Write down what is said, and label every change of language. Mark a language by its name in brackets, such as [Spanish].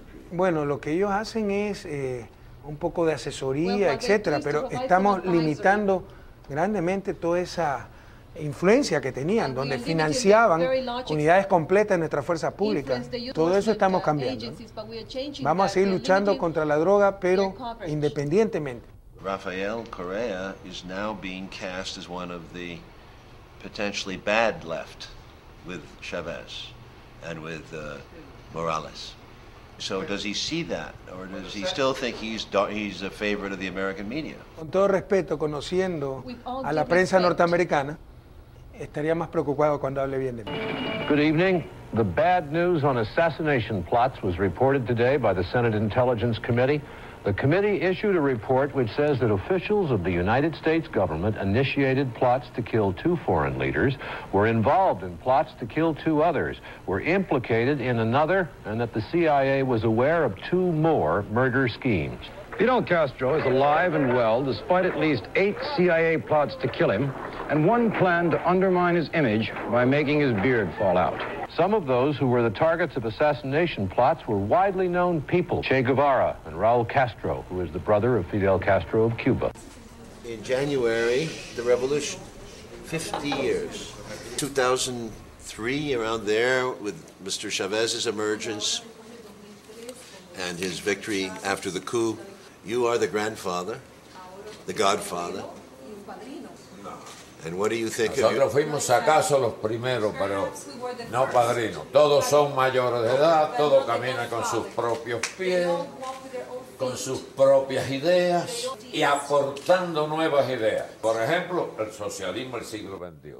[Spanish] Bueno, lo que ellos hacen es un poco de asesoría, etcétera, pero estamos limitando grandemente toda esa influencia que tenían, donde financiaban unidades completas de nuestras fuerzas públicas. Todo eso estamos cambiando. Vamos a seguir luchando contra la droga, pero independientemente. [English] Rafael Correa is now being cast as one of the potentially bad left with Chavez and with Morales. So does he see that, or does he still think he's a favorite of the American media? [Spanish] Con todo respeto, conociendo a la prensa norteamericana, estaría más preocupado cuando hable bien de mí. [English] Good evening. The bad news on assassination plots was reported today by the Senate Intelligence Committee. The committee issued a report which says that officials of the United States government initiated plots to kill two foreign leaders, were involved in plots to kill two others, were implicated in another, and that the CIA was aware of two more murder schemes. Fidel Castro is alive and well, despite at least 8 CIA plots to kill him, and one plan to undermine his image by making his beard fall out. Some of those who were the targets of assassination plots were widely known people, Che Guevara and Raul Castro, who is the brother of Fidel Castro of Cuba. In January, the revolution, 50 years, 2003, around there, with Mr. Chavez's emergence and his victory after the coup, you are the grandfather, the godfather. And what do you think of? [Spanish] Nosotros fuimos acaso los primeros, pero no padrino. Todos son mayores de edad, todos caminan con sus propios pies, con sus propias ideas y aportando nuevas ideas. Por ejemplo, el socialismo del siglo XXI.